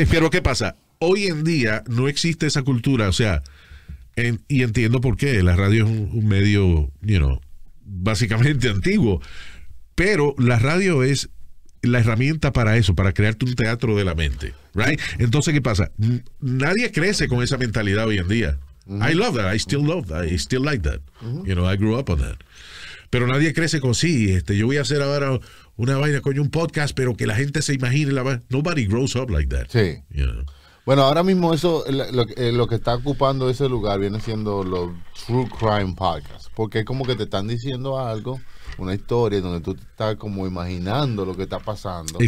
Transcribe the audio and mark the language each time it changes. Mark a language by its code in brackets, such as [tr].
[es] Pero ¿qué pasa? Hoy en día no existe esa cultura, o sea, y entiendo por qué, la radio es un medio, you know, básicamente antiguo, pero la radio es la herramienta para eso, para crearte un teatro de la mente, right? Entonces, ¿qué pasa? Nadie crece con esa mentalidad hoy en día. [en] Uh-huh. I love that, I still love that, I still like that, you know, I grew up on that. [es] Pero nadie crece con, yo voy a hacer ahora una vaina, coño, un podcast, pero que la gente se imagine la vaina. [en] Nobody grows up like that, you know? [es] Bueno, ahora mismo eso, lo que está ocupando ese lugar viene siendo los True Crime Podcasts, porque es como que te están diciendo algo, una historia donde tú estás como imaginando lo que está pasando.